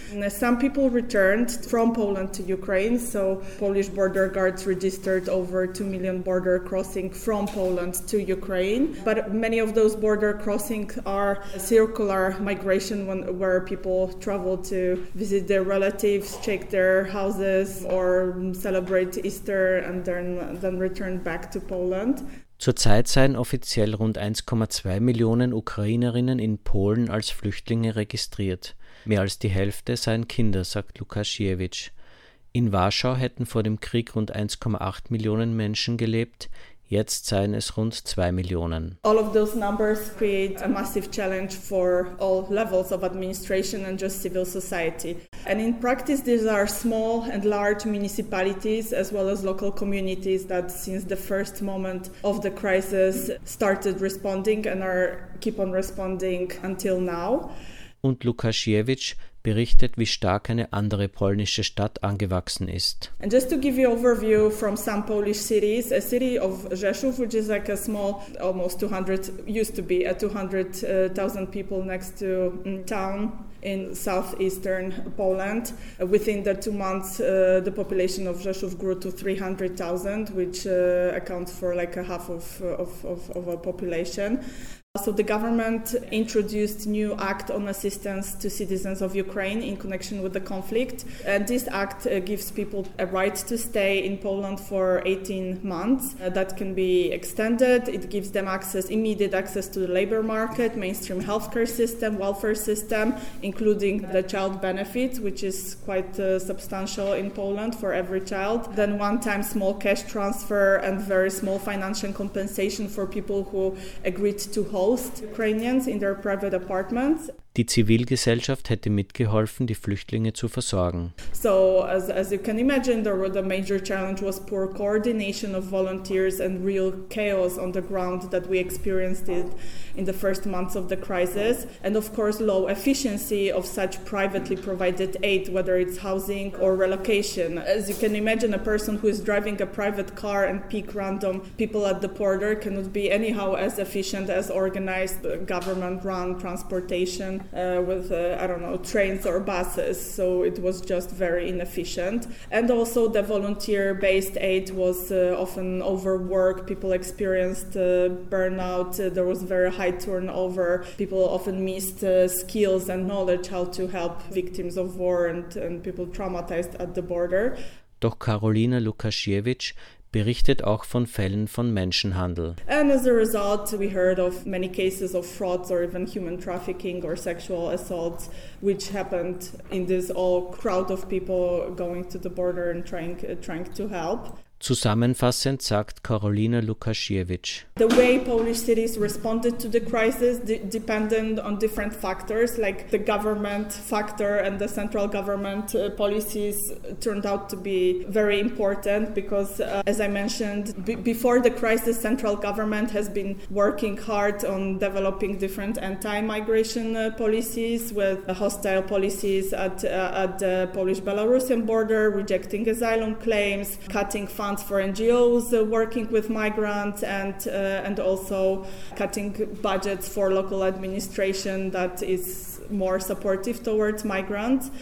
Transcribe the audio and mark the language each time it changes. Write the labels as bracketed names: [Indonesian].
[English] And some people returned from Poland to Ukraine, so Polish border guards registered over 2 million border crossing from Poland to Ukraine. But many of those border crossings are circular migration where people travel to visit their relatives, check their houses or celebrate Easter and then return back to Poland. [German] Zurzeit seien offiziell rund 1,2 Millionen Ukrainerinnen in Polen als Flüchtlinge registriert. Mehr als die Hälfte seien Kinder, sagt Lukasiewicz. In Warschau hätten vor dem Krieg rund 1,8 Millionen Menschen gelebt, jetzt seien es rund 2 Millionen. [English] All of those numbers create a massive challenge for all levels of administration and just civil society. And in practice, these are small and large municipalities as well as local communities that since the first moment of the crisis started responding and are keep on responding until now. [German] Und Lukasiewicz berichtet, wie stark eine andere polnische Stadt angewachsen ist. [English] And just to give you an overview from some Polish cities, a city of Rzeszów, which is like a small, almost 200, used to be a 200,000 people next to town in southeastern Poland. Within the 2 months, the population of Rzeszów grew to 300,000, which accounts for like a half of a population. So the government introduced new act on assistance to citizens of Ukraine in connection with the conflict. And this act gives people a right to stay in Poland for 18 months. That can be extended. It gives them access, immediate access to the labor market, mainstream healthcare system, welfare system, including the child benefits, which is quite substantial in Poland for every child. Then one-time small cash transfer and very small financial compensation for people who agreed to hold Ukrainians in their private apartments. [German] Die Zivilgesellschaft hätte mitgeholfen, die Flüchtlinge zu versorgen. [English] So, as you can imagine, the major challenge was poor coordination of volunteers and real chaos on the ground that we experienced it in the first months of the crisis. And of course, low efficiency of such privately provided aid, whether it's housing or relocation. As you can imagine, a person who is driving a private car and pick random people at the border cannot be anyhow as efficient as organized government-run transportation. Trains or buses. So it was just very inefficient. And also the volunteer-based aid was often overworked. People experienced burnout. There was very high turnover. People often missed skills and knowledge how to help victims of war and people traumatized at the border. [German] Doch Karolina Lukasiewicz berichtet auch von Fällen von Menschenhandel. [English] And as a result, we heard of many cases of frauds or even human trafficking or sexual assaults, which happened in this all crowd of people going to the border and trying to help. [German] Zusammenfassend sagt Karolina Lukasiewicz: [English] The way Polish cities responded to the crisis depended on different factors, like the government factor and the central government policies turned out to be very important because, as I mentioned, before the crisis, central government has been working hard on developing different anti-migration policies with hostile policies at the Polish-Belarusian border, rejecting asylum claims, cutting funds for NGOs working with migrants and also cutting budgets for local administration that is more supportive towards migrants.